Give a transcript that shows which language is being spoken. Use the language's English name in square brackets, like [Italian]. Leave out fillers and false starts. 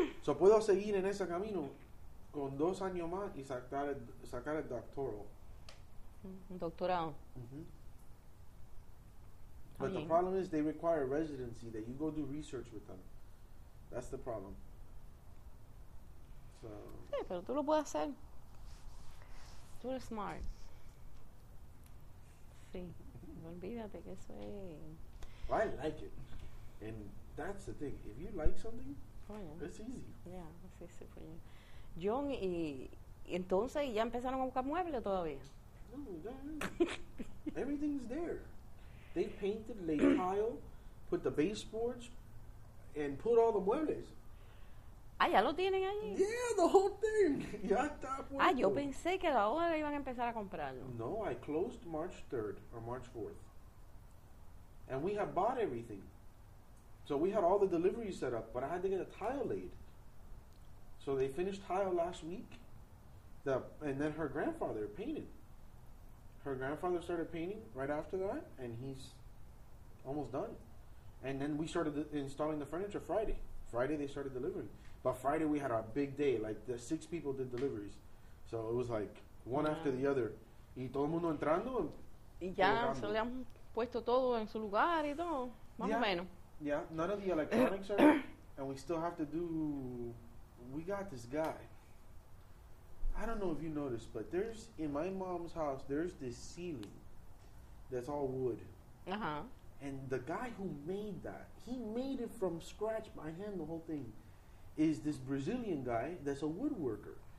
[Spanish] So, puedo seguir en ese camino con dos años más y sacar el doctoral. Doctorado. Mm-hmm. [English] But the problem is they require a residency that you go do research with them. That's the problem. So. [Spanish] Sí, pero tú lo puedes hacer. Tú eres [English] smart. [Spanish] Sí. Olvídate que eso es... [English] Well, I like it. And that's the thing. If you like something, it's easy. [Spanish] Yeah, sí, sí, pues ya. John, y entonces ya empezaron a buscar muebles todavía. [English] No, everything's there. They painted, laid tile, put the baseboards, and put all the muebles. [Spanish] Ah, ya lo tienen allí. [English] Yeah, the whole thing. [Spanish] Ya está puesto. Ah, yo pensé que ahora iban a empezar a comprarlo. [English] No, I closed March 3rd or March 4th. And we have bought everything. So we had all the deliveries set up, but I had to get a tile laid. So they finished tile last week. And then her grandfather painted. Her grandfather started painting right after that, and he's almost done. And then we started installing the furniture Friday. Friday they started delivering. But Friday we had our big day, like the six people did deliveries. So it was like one after the other. [Spanish] Y todo el mundo entrando. Y ya se le han puesto todo en su lugar y todo, más o menos. [English] Yeah, none of the electronics are there, and we still have to do, we got this guy. I don't know if you noticed, but there's, in my mom's house, there's this ceiling that's all wood. Uh-huh. And the guy who made that, he made it from scratch by hand, the whole thing, is this Brazilian guy that's a woodworker.